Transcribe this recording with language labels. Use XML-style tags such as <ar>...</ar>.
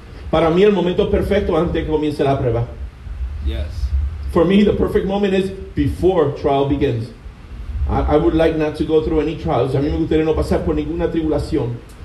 <es>Para mí el momento perfecto antes que comience la prueba.</es> <en>Yes. For me the perfect moment is before trial begins. I would like not to go through any trials.</en> <es>A mí me gustaría no pasar por ninguna tribulación.</es>